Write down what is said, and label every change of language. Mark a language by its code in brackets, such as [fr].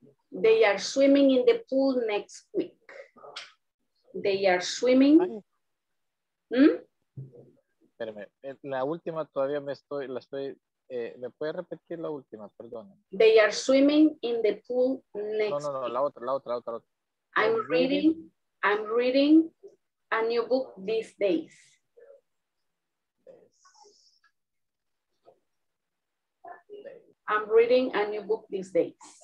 [en] They are swimming in the pool next week. They are swimming. [es] Espérame, la última todavía ¿me puede repetir la última? Perdón. [en] They are swimming in the pool next week. [es] No, la otra. [en] I'm reading a new book these days. I'm reading a new book these days.